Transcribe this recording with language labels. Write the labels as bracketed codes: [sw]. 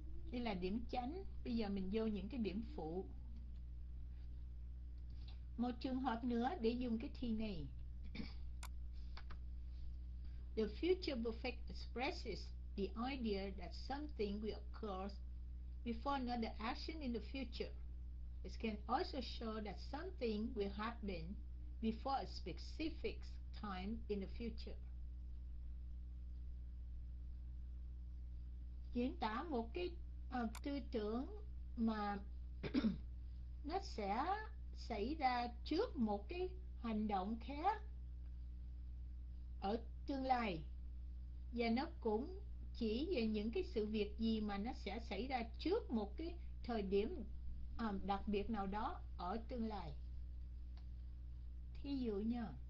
[vi] Đây là điểm chánh. Bây giờ mình vô những cái điểm phụ. Một trường hợp nữa để dùng cái thì này. [en] The future perfect expresses the idea that something will occur before another action in the future. It can also show that something will happen before a specific time in the future. [vi] Diễn tả một cái tư tưởng mà nó sẽ xảy ra trước một cái hành động khác ở tương lai, và nó cũng chỉ về những cái sự việc gì mà nó sẽ xảy ra trước một cái thời điểm đặc biệt nào đó ở tương lai. Thí dụ nha.